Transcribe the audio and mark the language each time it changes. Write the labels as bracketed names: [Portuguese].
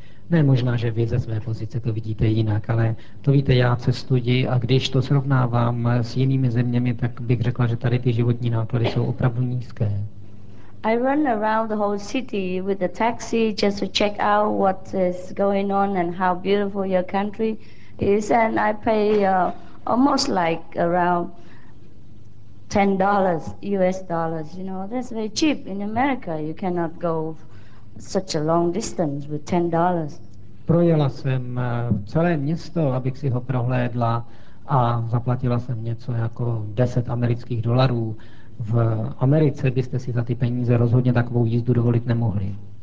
[Czech] Ne, možná, že vy ze své pozice to vidíte jinak, ale to víte, já cestuji a když to srovnávám s jinými zeměmi, tak bych řekla, že tady ty životní náklady jsou opravdu nízké. [English] I run around the whole city with the taxi just to check out what is going on and how beautiful your country is, and I pay almost like around $10, you know, that's very cheap. In America, you cannot go such a long distance with $10. [Czech] Projela jsem celé město, abych si ho prohlédla, a zaplatila jsem něco jako 10 amerických dolarů. V Americe byste si za ty peníze rozhodně takovou jízdu dovolit nemohli.